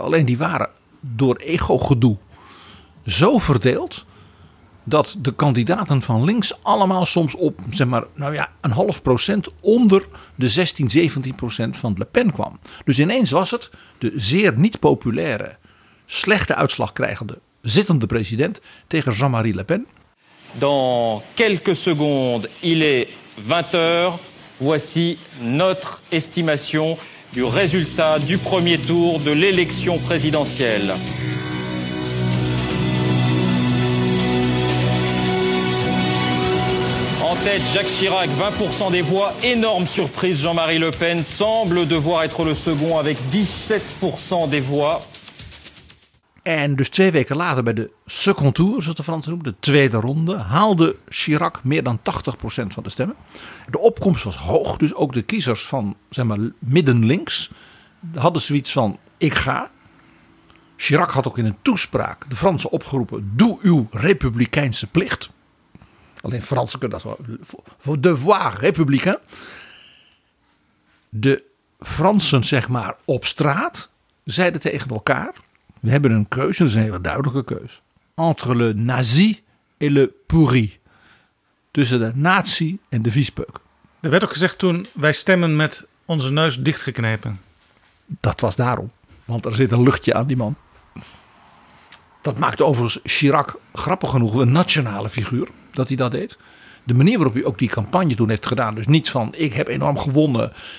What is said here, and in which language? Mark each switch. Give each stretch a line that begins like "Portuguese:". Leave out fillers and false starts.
Dutch: Alleen die waren door ego-gedoe zo verdeeld dat de kandidaten van links allemaal soms op, zeg maar, nou ja, 0,5% onder de 16-17% van Le Pen kwam. Dus ineens was het de zeer niet populaire, slechte uitslag krijgende zittende president tegen Jean-Marie Le Pen.
French: Dans quelques secondes, il est 20h. Voici notre estimation du résultat du premier tour de l'élection présidentielle. En tête, Jacques Chirac, 20% des voix. Énorme surprise, Jean-Marie Le Pen semble devoir être le second avec 17% des voix.
Dutch: En dus 2 weken later bij de
French: second tour,
Dutch: zoals de Fransen noemen, de tweede ronde, haalde Chirac meer dan 80% van de stemmen. De opkomst was hoog, dus ook de kiezers van, zeg maar, middenlinks hadden zoiets van, ik ga. Chirac had ook in een toespraak de Fransen opgeroepen, doe uw republikeinse plicht. Alleen Fransen kunnen dat wel,
French: devoir républicain.
Dutch: De Fransen, zeg maar, op straat zeiden tegen elkaar, we hebben een keuze, dat is een hele duidelijke keuze.
French: Entre le nazi et le pourri.
Dutch: Tussen de nazi en de viespeuk. Er werd ook gezegd toen, wij stemmen met onze neus dichtgeknepen. Dat was daarom. Want er zit een luchtje aan die man. Dat maakte overigens Chirac, grappig genoeg, een nationale figuur. Dat hij dat deed. De manier waarop hij ook die campagne toen heeft gedaan. Dus niet van, ik heb enorm gewonnen.